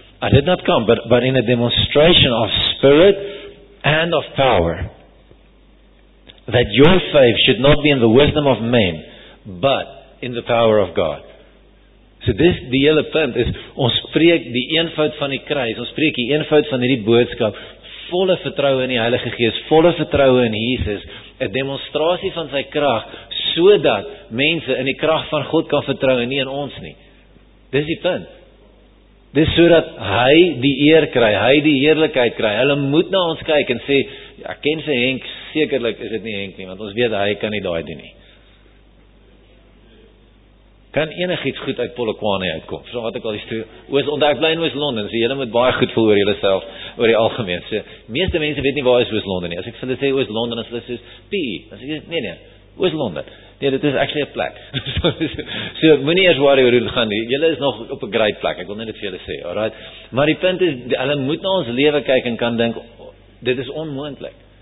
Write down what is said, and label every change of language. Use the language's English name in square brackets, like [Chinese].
[English] I did not come, but in a demonstration of Spirit and of power, that your faith should not be in the wisdom of men, but in the power of God. [Afrikaans] So this, die hele punt is, ons spreek die eenvoud van die kruis, ons spreek die eenvoud van die boodskap, volle vertroue in die Heilige Gees, volle vertroue in Jesus, 'n demonstrasie van sy krag, so dat mense in die krag van God kan vertroue, nie in ons nie. Dis die punt. Dis so dat hy die eer kry, hy die heerlikheid kry. Hulle moet na ons kyk en sê, ek ken sy Henk, sekerlik is dit nie Henk nie, want ons weet hy kan nie daai doen nie. Kan enigiets goed uit Polokwane uitkom? So wat ek al die stuur, want ek bly in Oos-London, so julle moet baie goed voel oor julleself, oor die algemeen. So, meeste mense weet nie waar is Oos-London nie. As ek vir hulle sê Oos-London, as hulle sê, P.E. As ek sê, nee, Oos-London. Ja, dit is actually 'n plek. So, moet nie eers worry oor hoe dit gaan nie. Julle is nog op 'n great plek. Ek wil net dit vir julle sê, alright. Maar die punt is, hulle moet na ons lewe kyk en kan dink, dit is onmoontlik.